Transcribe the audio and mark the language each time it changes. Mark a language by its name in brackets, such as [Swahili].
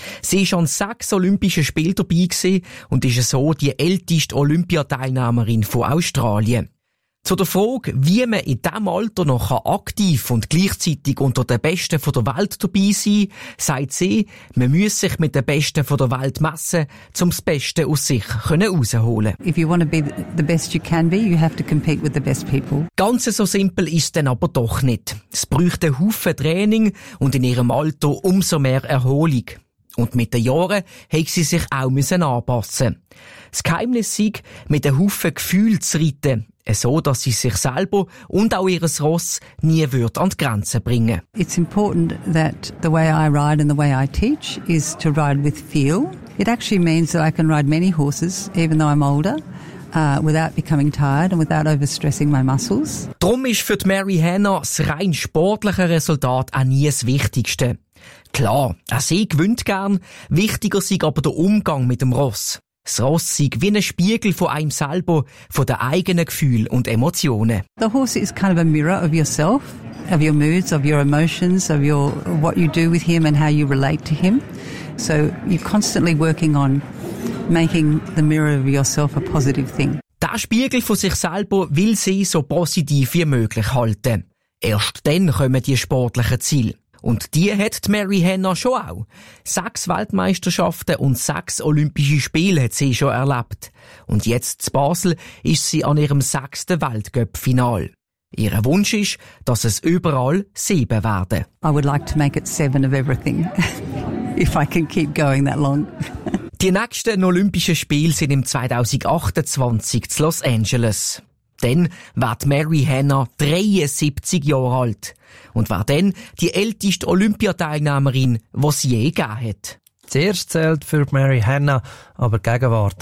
[German] Sie war an 6 Olympischen Spielen dabei und ist so die älteste Olympiateilnehmerin von Australien. Zu der Frage, wie man in diesem Alter noch aktiv und gleichzeitig unter den Besten der Welt dabei sein kann, sagt sie, man müsse sich mit den Besten der Welt messen, um das Beste aus sich herauszuholen. [English] If you want to be the best you can be, you have to compete with the best people. [German] Ganz so simpel ist es dann aber doch nicht. Es braucht einen Haufen Training und in ihrem Alter umso mehr Erholung. Und mit den Jahren hat sie sich auch müssen anpassen. Das Geheimnis sei, mit einem Haufen Gefühl zu reiten, so, dass sie sich selber und auch ihres Ross nie wird an die Grenzen bringen. [English] It's important that the way I ride and the way I teach is to ride with feel. It actually means that I can ride many horses, even though I'm older, without becoming tired and without overstressing my muscles. [German] Darum ist für Mary Hanna das rein sportliche Resultat auch nie das Wichtigste. Klar, auch sie gewinnt gern, wichtiger sei aber der Umgang mit dem Ross. Das Ross sei wie ein Spiegel von einem selber, von den eigenen Gefühlen und Emotionen. [English] The horse is kind of a mirror of yourself, of your moods, of your emotions, of your, what you do with him and how you relate to him. So you're constantly working on making the mirror of yourself a positive thing. [German] Der Spiegel von sich selber will sie so positiv wie möglich halten. Erst dann kommen die sportlichen Ziele. Und die hat die Mary Hanna schon auch. 6 Weltmeisterschaften und 6 Olympische Spiele hat sie schon erlebt. Und jetzt in Basel ist sie an ihrem 6. Weltcup-Final. Ihr Wunsch ist, dass es überall 7 werden. [English] I would like to make it 7 of everything. If I can keep going that long. [German] Die nächsten Olympischen Spiele sind im 2028 in Los Angeles. Dann wird Mary Hanna 73 Jahre alt. Und war dann die älteste Olympiateilnehmerin, die es je gegeben hat. Zuerst zählt für Mary Hanna aber Gegenwart.